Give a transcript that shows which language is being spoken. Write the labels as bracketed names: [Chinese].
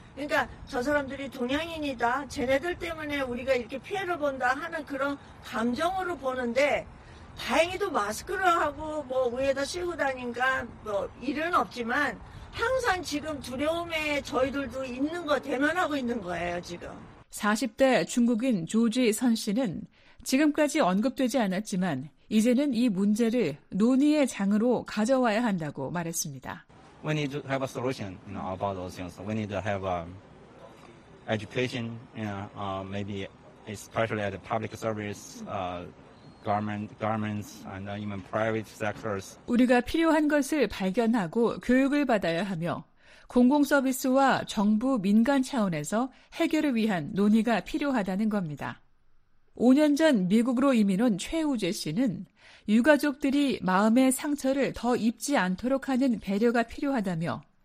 [Korean] 그러니까 저 사람들이 동양인이다. 쟤네들 때문에 우리가 이렇게 피해를 본다 하는 그런 감정으로 보는데 다행히도 마스크를 하고 뭐 위에다 씌우고 다닌가 뭐 일은 없지만 항상 지금 두려움에 저희들도 있는 거 대면하고 있는 거예요 지금. 40대 중국인 조지 선 씨는 지금까지 언급되지 않았지만 이제는 이 문제를 논의의 장으로 가져와야 한다고 말했습니다. [English] We need to have a solution, you know, about those things. We need to have education, you know, maybe especially at the public service, governments, and even private sectors. [Korean] 우리가 필요한 것을 발견하고 교육을 받아야 하며 공공 서비스와 정부 민간 차원에서 해결을 위한 논의가 필요하다는 겁니다. 5년 전 미국으로 이민 온 최우재 씨는 유가족들이 마음의 상처를 더 입지 않도록 하는 배려가 필요하다며